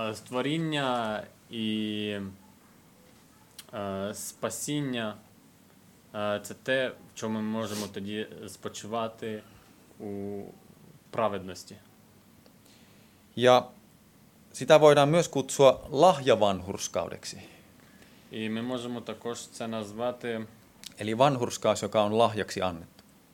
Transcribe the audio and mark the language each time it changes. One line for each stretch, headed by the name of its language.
Ukrainian: Створіння і спасіння це те, в чому ми можемо тоді спочивати у праведності.
Finnish: Ja sitä voidaan myös kutsua lahjavanhurskaudeksi.
Ukrainian: І ми можемо також це назвати.
Finnish: Eli vanhurskaus, joka on lahjaksi annettu.